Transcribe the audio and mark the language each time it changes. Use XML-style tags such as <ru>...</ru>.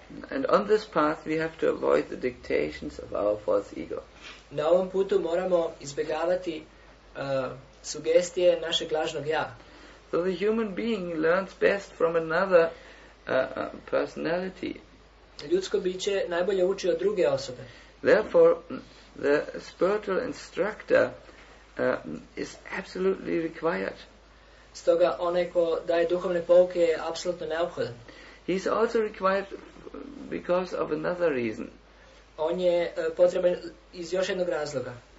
<en>And on this path we have to avoid the dictations of our false ego.</en> <hr>Na ovom putu moramo izbjegavati sugestije našeg lažnog ja.</hr> <en>So the human being learns best from another personality.</en> <hr>Ljudsko biće najbolje uči od druge osobe.</hr> <en>Therefore the spiritual instructor is absolutely required.</en> <hr>Stoga onaj ko daje duhovne pouke je apsolutno neophodan.</hr> <en>He is also required because of another reason.</en> <hr>On je potreban iz još jednog razloga.</hr>